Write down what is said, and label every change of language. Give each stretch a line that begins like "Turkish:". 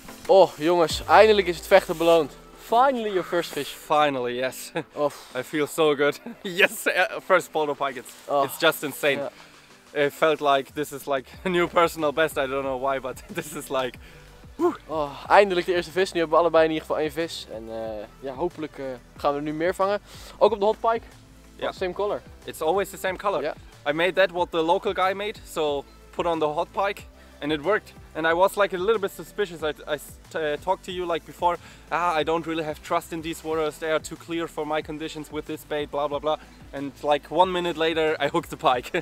Dutch: Oh, jongens, eindelijk is het vechten beloond.
English: Finally your first fish. Finally, yes. Oh. I feel so good. Yes, first polder pike. It's just insane. Yeah. It felt like this is like a new personal best. I don't know why, but this is like...
Dutch: Oh, eindelijk de eerste vis. Nu hebben we allebei in ieder geval één vis. En ja, hopelijk gaan we er nu meer vangen. Ook op de hot pike.
English: Yeah. Same color. It's always the same color. Yeah. I made that what the local guy made, so put on the hot pike and it worked. And I was like a little bit suspicious. I talked to you like before, I don't really have trust in these waters. They are too clear for my conditions with this bait, blah, blah, blah. And like 1 minute later, I hooked the pike.